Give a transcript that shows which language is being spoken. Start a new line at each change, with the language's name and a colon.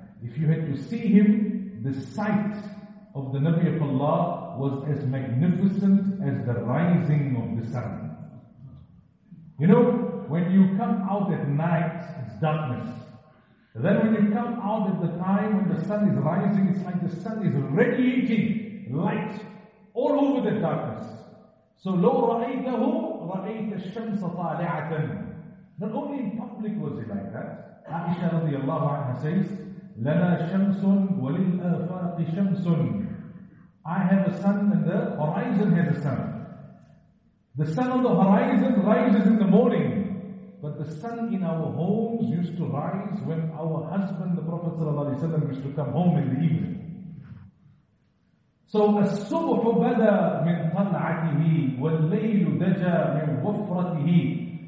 English: If you had to see him, the sight of the Nabi of Allah was as magnificent as the rising of the sun. You know, when you come out at night, it's darkness. Then when you come out at the time when the sun is rising, it's like the sun is radiating light all over the darkness.
Arabic: So لو رأيته رأيت الشمس طالعة.
English: Not only in public was it like that. Aisha radiallahu anha says,
Arabic: لنا شمس وللآفاق شمس.
English: I have a sun and the horizon has a sun. The sun on the horizon rises in the morning. But the sun in our homes used to rise when our husband, the Prophet ﷺ, used to come home in the evening.
Arabic: So, الصبح بدا من طلعته والليل دجا من وفرته.